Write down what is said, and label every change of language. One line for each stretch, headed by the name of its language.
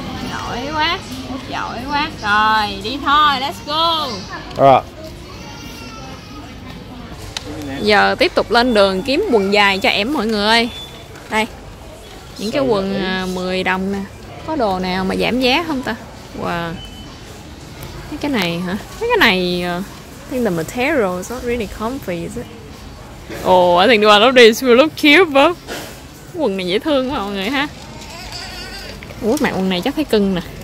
Vietnamese: Giỏi quá. Giỏi quá. Rồi, đi thôi.
English: Let's go. Alright.
Vietnamese: Giờ tiếp tục lên đường kiếm quần dài cho em mọi người ơi. Đây. Những cái quần 10 đồng nè. Có đồ nào mà giảm giá không ta? Wow. Cái này hả? Cái này
English: think the material is not really comfy is it? Oh, I think the one of these will look cute but.
Vietnamese: Quần này dễ thương quá mọi người ha. Ủa mặc quần này chắc thấy cưng nè.